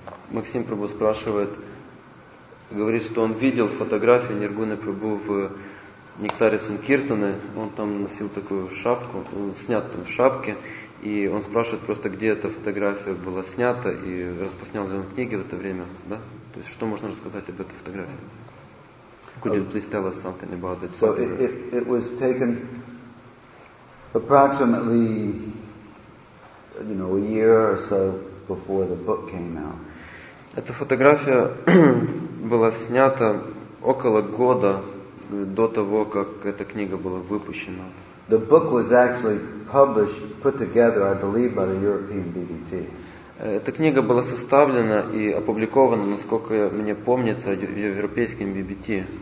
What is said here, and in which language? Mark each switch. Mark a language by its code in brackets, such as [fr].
[ru] Максим Прабу спрашивает, говорит, что он видел фотографии Ниргуны Прабу в Нектаре Санкиртаны. Он там носил такую шапку, снят там в шапке. И он спрашивает просто, где эта фотография была снята и распространял ли он книги в это время, да? То есть, что можно рассказать об этой фотографии? [en] Could you please tell us something about it? So it was taken approximately, you know, a year or so before the book came out. [ru] Эта фотография была снята около года до того, как эта книга была выпущена. [en] The book was actually published, put together, I believe, by the European BBT. [ru] Эта книга была составлена и опубликована, насколько мне помнится, в европейском BBT.